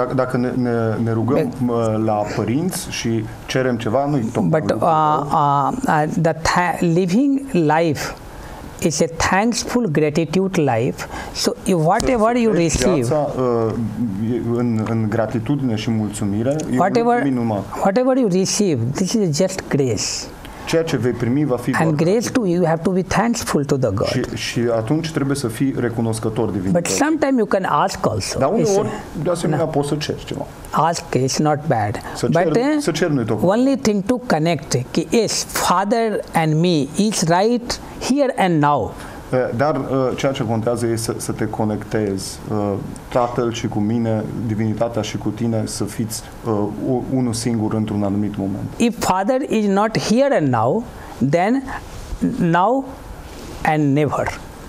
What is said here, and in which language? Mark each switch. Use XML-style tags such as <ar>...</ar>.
<ro>Dacă ne rugăm la părinți și cerem ceva, nu-i tocmai.</ro> <en>But living life is a thankful gratitude life. So whatever you receive.</en> <ro>Viața în gratitudine și mulțumire, whatever, e minunat.</ro> <en>Whatever you receive, this is just grace.</en> <ro>Ceea ce vei primi va fi</ro> <en>and grace to you have to be thankful to the God.</en> <ro>Și atunci trebuie să fii recunoscător divinității.</ro> <en>But sometimes you can ask also.</en> <ro>Dar uneori, de asemenea, poți să ceri ceva.</ro> <en>Ask is not bad.</en> <ro>Să cer nu-i tocmai.</ro> <en>Only thing to connect, yes, Father and me is right here and now.</en> <ro>Dar ceea ce contează e să te conectezi Tatăl și cu mine, divinitatea și cu tine, să fiți unul singur într-un anumit moment.</ro> <en>If Father is not here and now, then now and never.</en>